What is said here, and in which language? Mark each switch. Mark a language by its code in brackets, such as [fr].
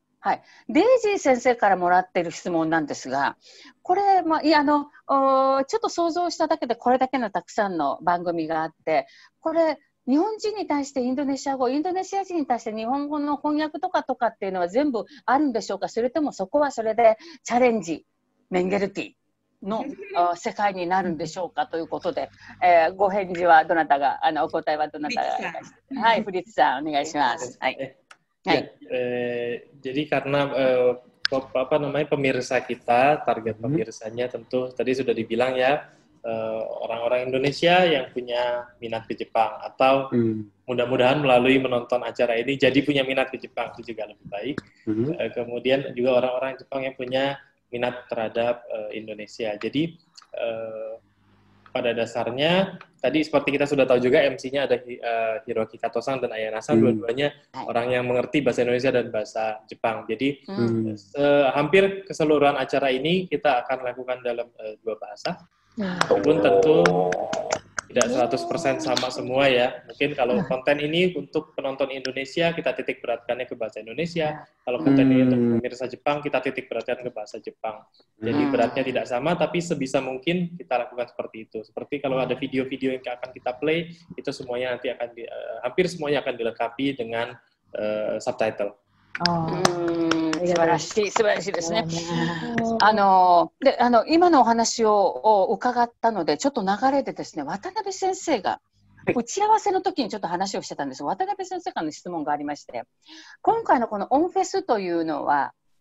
[ja] はい、デイジー先生からもらっている質問なんですが、これ、まあ、ちょっと想像しただけでこれだけのたくさんの番組があって、これ日本人に対してインドネシア語、インドネシア人に対して日本語の翻訳とかっていうのは全部あるんでしょうか、それともそこはそれでチャレンジメンゲルティの世界になるんでしょうかということで、ご返事はどなたが、お答えはどなたが、はい、フリッツさんお願いします。はい、 [id] ya, jadi karena apa namanya pemirsa kita, target pemirsanya tentu tadi sudah dibilang ya, orang-orang Indonesia yang punya minat ke Jepang atau mudah-mudahan melalui menonton acara ini jadi punya minat ke Jepang, itu juga lebih baik. Kemudian juga orang-orang Jepang yang punya minat terhadap Indonesia. Jadi pada dasarnya tadi seperti kita sudah tahu juga MC-nya ada Hiroki Kato-san dan Ayana-san, dua-duanya orang yang mengerti bahasa Indonesia dan bahasa Jepang. Jadi hampir keseluruhan acara ini kita akan lakukan dalam dua bahasa. Walaupun tentu tidak 100% sama semua ya. Mungkin kalau konten ini untuk penonton Indonesia, kita titik beratkannya ke bahasa Indonesia. Kalau konten ini untuk pemirsa Jepang, kita titik beratkan ke bahasa Jepang. Jadi beratnya tidak sama, tapi sebisa mungkin kita lakukan seperti itu. Seperti kalau ada video-video yang akan kita play, itu semuanya nanti akan di, hampir semuanya akan dilengkapi dengan subtitle. [ja] 素晴らしいですね。あの、で、あの、 今のお話を伺ったので、ちょっと流れでですね、 渡辺先生が打ち合わせの時にちょっと話をしてたんです。渡辺先生からの質問がありまして、今回のこのオンフェスというのは